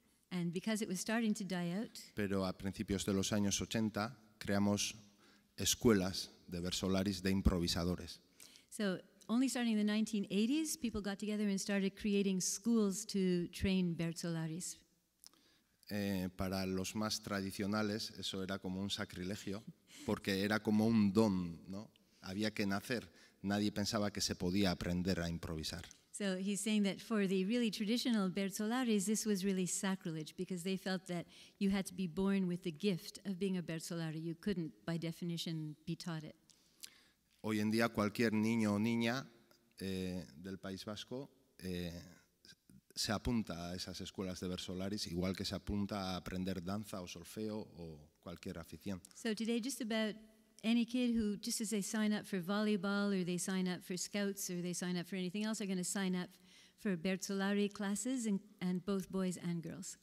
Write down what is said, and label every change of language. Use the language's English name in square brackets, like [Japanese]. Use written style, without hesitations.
[English] And because it was starting to die out. [Spanish] Pero a principios de los años 80 creamos escuelas de versolaris de improvisadores. [English] So only starting in the 1980s, people got together and started creating schools to train bertolaris. [Spanish] Para los más tradicionales, eso era como un sacrilegio, porque era como un don, ¿no? Había que nacer. Nadie pensaba que se podía aprender a improvisar. [English] So he's saying that for the really traditional bertolaris, this was really sacrilege, because they felt that you had to be born with the gift of being a bertolari. You couldn't, by definition, be taught it. [Spanish] Hoy en día, cualquier niño o niña del País Vasco se apunta a esas escuelas de versolaris, igual que se apunta a aprender danza o solfeo o cualquier afición. [English] So today, just about any kid who, just as they sign up for volleyball or they sign up for scouts or they sign up for anything else, are going to sign up for bertolari classes, and both boys and girls.